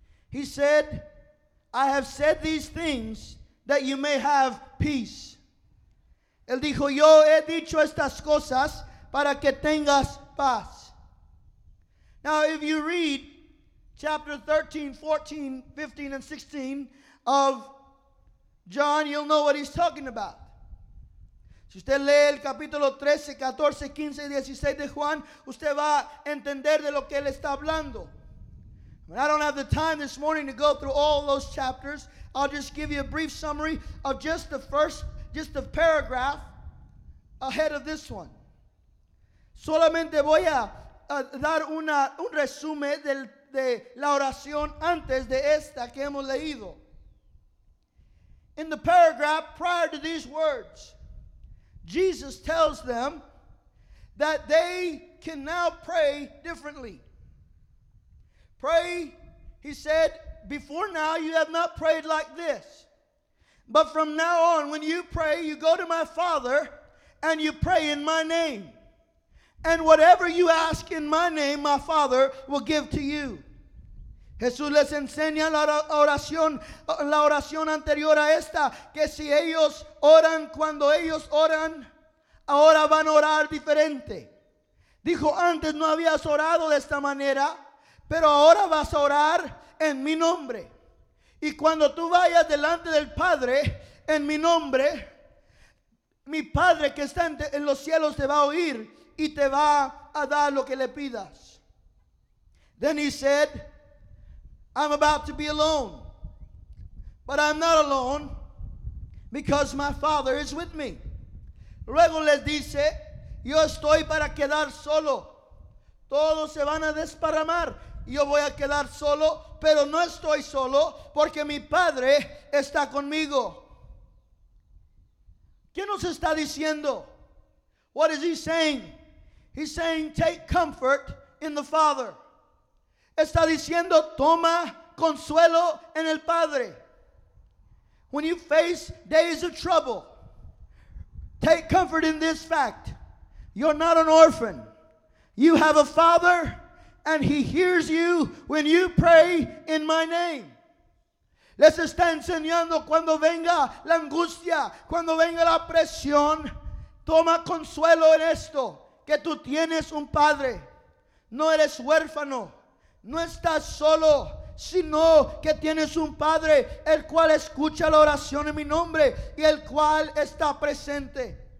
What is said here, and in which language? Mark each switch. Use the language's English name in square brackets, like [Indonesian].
[English] He said, I have said these things that you may have peace. [Spanish] Él dijo, yo he dicho estas cosas para que tengas paz. [English] Now, if you read chapter 13, 14, 15, and 16 of John, you'll know what he's talking about. [Spanish] Si usted lee el capítulo 13, 14, 15 y 16 de Juan, usted va a entender de lo que él está hablando. [English] But I don't have the time this morning to go through all those chapters. I'll just give you a brief summary of just the paragraph ahead of this one. [Spanish] Solamente voy a dar un resumen de la oración antes de esta que hemos leído. [English] In the paragraph prior to these words, Jesus tells them that they can now pray differently. Pray, he said, before now you have not prayed like this. But from now on, when you pray, you go to my Father and you pray in my name. And whatever you ask in my name, my Father will give to you. [Spanish] Jesús les enseña la oración anterior a esta, que si ellos oran cuando ellos oran, ahora van a orar diferente. Dijo, antes no habías orado de esta manera, pero ahora vas a orar en mi nombre. Y cuando tú vayas delante del Padre en mi nombre, mi Padre que está en los cielos te va a oír y te va a dar lo que le pidas. [English] Then he said, I'm about to be alone, but I'm not alone because my Father is with me. [Spanish] Luego les dice, yo estoy para quedar solo. Todos se van a desparramar. Yo voy a quedar solo, pero no estoy solo porque mi Padre está conmigo. ¿Qué nos está diciendo? [English] What is he saying? He's saying, take comfort in the Father. [Spanish] Está diciendo, toma consuelo en el Padre. [English] When you face days of trouble, take comfort in this fact. You're not an orphan. You have a Father, and he hears you when you pray in my name. [Spanish] Les está enseñando, cuando venga la angustia, cuando venga la presión, toma consuelo en esto, que tú tienes un Padre. No eres huérfano. No estás solo, sino que tienes un Padre, el cual escucha la oración en mi nombre y el cual está presente.